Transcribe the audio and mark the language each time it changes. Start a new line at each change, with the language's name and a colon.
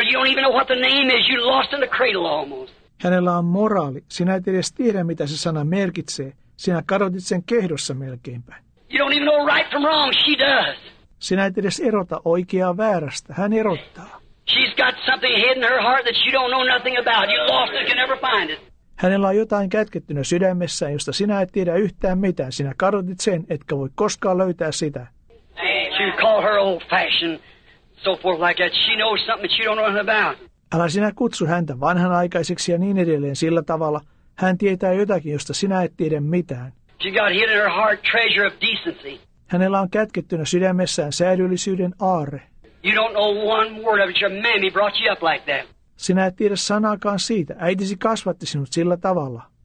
English: You don't even know what the name is. You lost in the cradle almost.
Finnish: Hänellä on moraali. Sinä et edes tiedä, mitä se sana merkitsee. Sinä kadotit sen kehdossa melkeinpä.
English: You don't even know right from wrong. She does.
Finnish: Sinä et edes erota oikeaa väärästä. Hän erottaa.
English: She's got something hidden in her heart that you don't know nothing about. You lost it, you never find it.
Finnish: Hänellä on jotain kätkettynä sydämessään, josta sinä et tiedä yhtään mitään. Sinä kadotit sen, etkä voi koskaan löytää sitä.
English: She call her old fashioned so forth like that. She knows something that you don't know nothing about.
Finnish: Älä sinä kutsu häntä vanhanaikaiseksi ja niin edelleen sillä tavalla. Hän tietää jotakin, josta sinä et tiedä mitään.
English: She got hidden in her heart treasure of decency.
Finnish: Hänellä on kätkettynä sydämessään säädyllisyyden aarre.
English: You don't know one word of it. Your mammy brought you up like that.
Finnish: Sinä et tiedä sanaakaan siitä. Äitisi kasvatti sinut sillä tavalla.